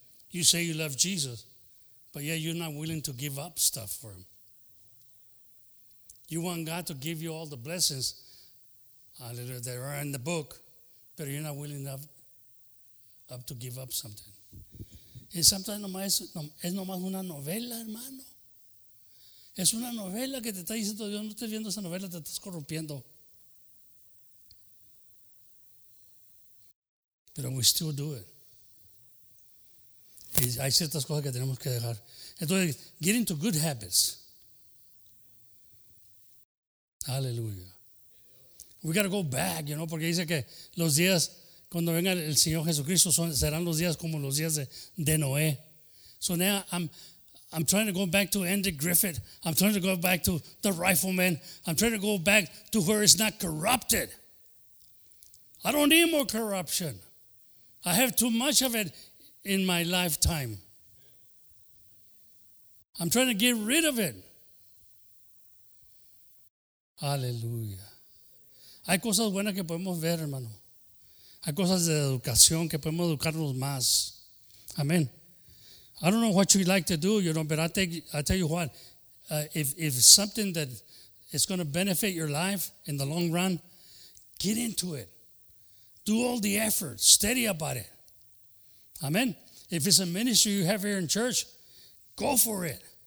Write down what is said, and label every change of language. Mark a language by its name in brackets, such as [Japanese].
[English] You say you love Jesus, but yeah, you're not willing to give up stuff for him. You want God to give you all the blessings, hallelujah, that are in the book, but you're not willing up to give up something. And sometimes [Spanish] es nomás una novela, hermano. Es una novela que te está diciendo Dios, no estás viendo esa novela, te estás corrompiendo. Pero [English] we still do it. [Spanish] Y hay ciertas cosas que tenemos que dejar. Entonces, [English] get into good habits. [Spanish] Aleluya. [English] We got to go back, you know, [Spanish] porque dice que los días, cuando venga el Señor Jesucristo, serán los días como los días de Noé. [English] So now I'm trying to go back to Andy Griffith. I'm trying to go back to the rifleman. I'm trying to go back to where it's not corrupted. I don't need more corruption. I have too much of it in my lifetime. I'm trying to get rid of it. [Spanish] Aleluya. Hay cosas buenas que podemos ver, hermano. Hay cosas de educación que podemos educarnos más. Amén. [English] I don't know what you like to do, you know, but I tell you what, if something that is going to benefit your life in the long run, get into it. Do all the effort. Study about it. Amén. If it's a ministry you have here in church, go for it.